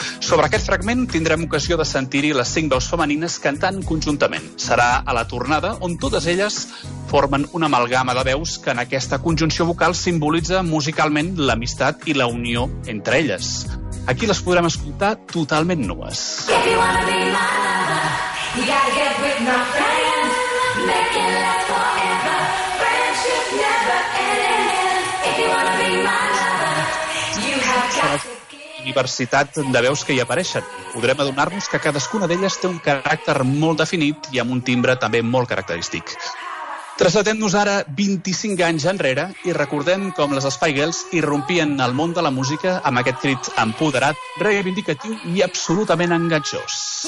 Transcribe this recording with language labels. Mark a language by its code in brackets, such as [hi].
[ca] Sobre aquest fragment tindrem ocasió de sentir-hi les cinc veus femenines cantant conjuntament. Serà a la tornada on totes elles formen una amalgama de veus que en aquesta conjunció vocal simbolitza musicalment l'amistat i la unió entre elles. Aquí les podrem escoltar totalment nues. [en] If you wanna be my lover, you gotta get with my friends, make it last forever, friendship never ends. If you wanna be my lover, you have got to get... [ca] diversitat de veus que hi apareixen. Podrem adonar-nos que cadascuna d'elles té un caràcter molt definit i amb un timbre també molt característic. Trasllatem-nos ara 25 anys enrere i recordem com les Spice Girls irrompien al món de la música amb aquest crit empoderat, reivindicatiu i absolutament enganxós.